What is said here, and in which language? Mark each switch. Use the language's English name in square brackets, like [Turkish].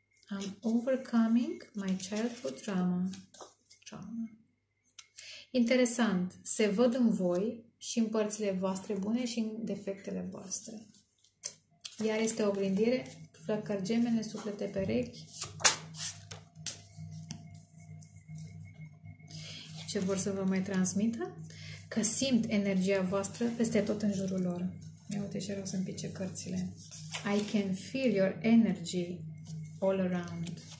[English] I'm overcoming my childhood trauma. Interesant. [Romanian] Se văd în voi și în părțile voastre bune și în defectele voastre. Iar este o oglindire. Flăcări gemene, suflete perechi. Ce vor să vă mai transmită? Că simt energia voastră peste tot în jurul lor. Ia uite și erau să împice cărțile. [English] I can feel your energy all around.